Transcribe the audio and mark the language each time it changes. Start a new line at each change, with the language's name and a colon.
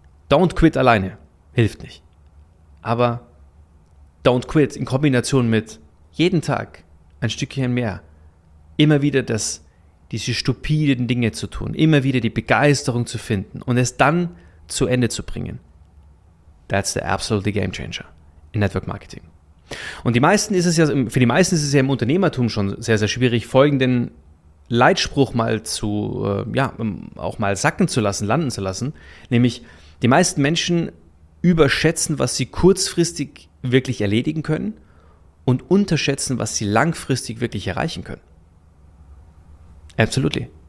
English: Don't quit
German: alleine, hilft nicht. Aber
English: don't quit
German: in Kombination mit jeden Tag ein Stückchen mehr. Immer wieder diese stupiden Dinge zu tun, immer wieder die Begeisterung zu finden und es dann zu Ende zu bringen.
English: That's the absolute game changer in Network Marketing.
German: Und für die meisten ist es ja im Unternehmertum schon sehr, sehr schwierig, folgenden Leitspruch mal zu, auch mal sacken zu lassen, landen zu lassen. Nämlich, die meisten Menschen überschätzen, was sie kurzfristig wirklich erledigen können und unterschätzen, was sie langfristig wirklich erreichen können.
English: Absolutely.